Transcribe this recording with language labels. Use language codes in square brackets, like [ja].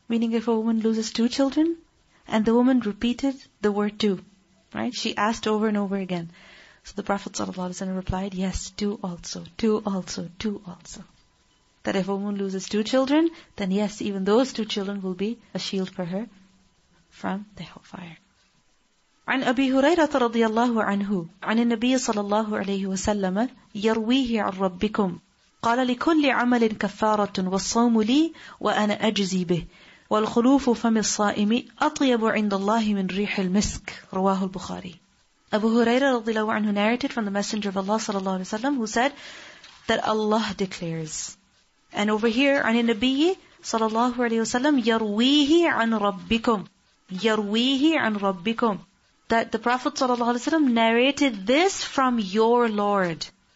[en] Meaning if a woman loses two children? And the woman repeated the word two. Right? She asked over and over again. So the Prophet ﷺ replied, yes, two also, two also, two also. That if a woman loses two children, then yes, even those two children will be a shield for her from the hellfire. [ar] عن أبي هريرة رضي الله عنه عن النبي صلى الله عليه وسلم يرويه عن ربكم قال لكل عمل كفارة والصوم لي وأنا أجزي به والخلوف فم الصائم أطيب عند الله من ريح المسك رواه البخاري. [en] Abu Huraira radiallahu anhu narrated from the Messenger of Allah sallallahu alaihi wasallam, who said that Allah declares. And over here, [ar] عن النبي [en] sallallahu alaihi wasallam, [ar] يَرْوِيهِ عَنْ رَبِّكُمْ يَرْوِيهِ عَنْ رَبِّكُمْ, [en] that the Prophet sallallahu alaihi wasallam narrated this from your Lord.